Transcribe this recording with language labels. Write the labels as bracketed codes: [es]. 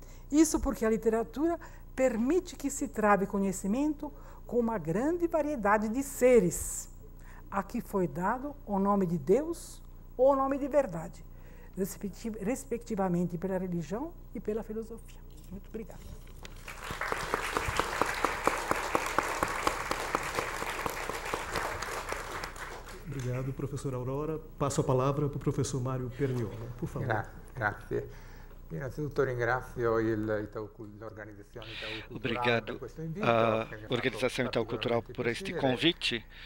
[pt] Isso porque a literatura permite que se trave conhecimento com uma grande variedade de seres, a que foi dado o nome de Deus ou o nome de verdade, respectivamente pela religião e pela filosofia. Muito obrigada. Obrigado, professora Aurora. Passo a palavra para o professor Mario Perniola, por favor. [it] Grazie. Innanzitutto ringrazio l'organizzazione Itaú Cultural. [pt] Obrigado à organização Itaú Cultural por este convite.